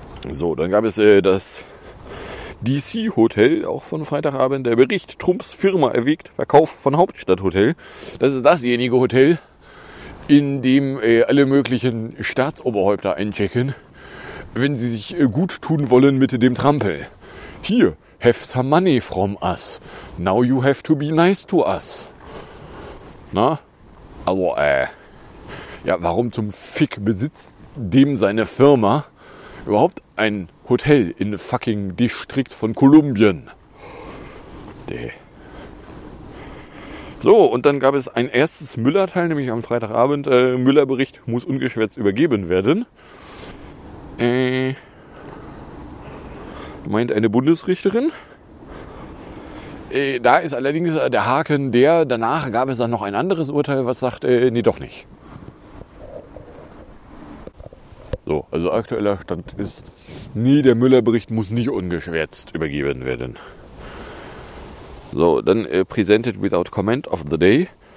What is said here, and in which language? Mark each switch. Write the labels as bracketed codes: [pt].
[de] So, dann gab es das DC Hotel, auch von Freitagabend, der Bericht: Trumps Firma erwägt Verkauf von Hauptstadthotel. Das ist dasjenige Hotel, in dem alle möglichen Staatsoberhäupter einchecken, wenn sie sich gut tun wollen mit dem Trampel. [en] Hier, have some money from us. Now you have to be nice to us. [de] Na? Also, warum zum Fick besitzt dem seine Firma überhaupt ein Hotel in fucking Distrikt von Kolumbien? So, und dann gab es ein erstes Müller-Teil, nämlich am Freitagabend. Müller-Bericht muss ungeschwärzt übergeben werden. Meint eine Bundesrichterin. Da ist allerdings der Haken der, danach gab es dann noch ein anderes Urteil, was sagt, doch nicht. So, also aktueller Stand ist, der Müller-Bericht muss nicht ungeschwärzt übergeben werden. So, dann [en] presented without comment of the day.